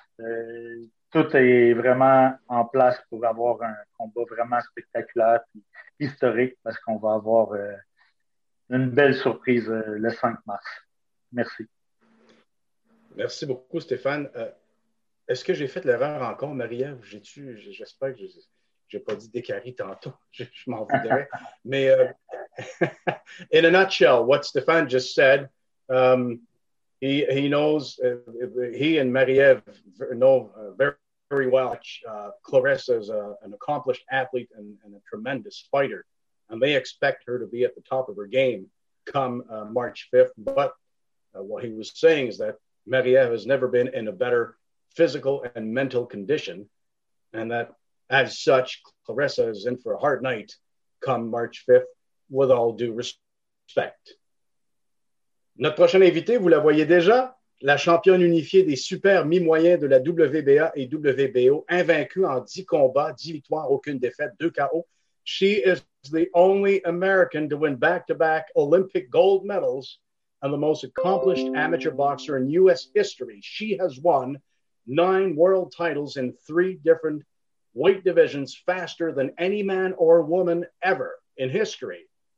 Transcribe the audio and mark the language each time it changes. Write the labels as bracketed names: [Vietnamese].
[French] Tout est vraiment en place pour avoir un combat vraiment spectaculaire et historique parce qu'on va avoir une belle surprise le 5 mars. Merci. Merci beaucoup, Stéphane. Est-ce que j'ai fait l'erreur encore, Marie-Ève? J'espère que je n'ai pas dit décarie tantôt. Je m'en voudrais. [English] Mais in a nutshell, what Stéphane just said, he and Marie-Ève know very well. Claressa is an accomplished athlete and a tremendous fighter, and they expect her to be at the top of her game come March 5th. But what he was saying is that Marie-Ève has never been in a better physical and mental condition, and that as such, Claressa is in for a hard night come March 5th, with all due respect. [French] Notre prochaine invitée, vous la voyez déjà, la championne unifiée des super mi-moyens de la WBA et WBO, invaincue en 10 combats, 10 victoires, aucune défaite, 2 KO. [English] She is the only American to win back-to-back Olympic gold medals and the most accomplished amateur boxer in U.S. history. She has won 9 world titles in 3 different weight divisions faster than any man or woman ever in history.